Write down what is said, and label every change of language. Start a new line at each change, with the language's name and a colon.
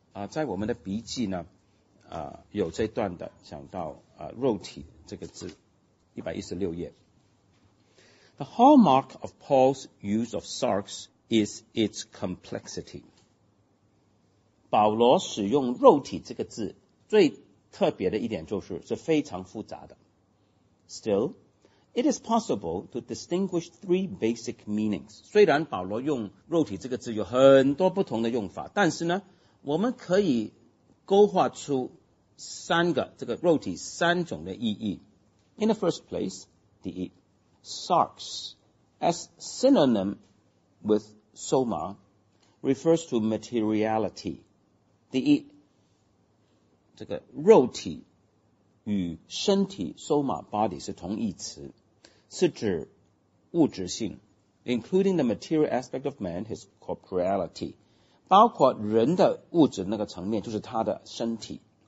Chinese: 在我们的笔记呢有这段的讲到肉体这个字116页。
English: The hallmark of Paul's use of sarx is its complexity。
Chinese: 保罗使用肉体这个字最特别的一点就是非常复杂的。
English: Still, it is possible to distinguish three basic meanings。
Chinese: 虽然保罗用肉体这个字有很多不同的用法，但是呢我们可以勾画出三个这个肉体三种的意义。
English: In the first place，
Chinese: 第一
English: sarx as synonym with soma refers to materiality。
Chinese: 第一这个肉体与身体 soma body 是同义词，是指物质性
English: including the material aspect of man his corporeality，
Chinese: 包括人的物质那个层面就是他的身体。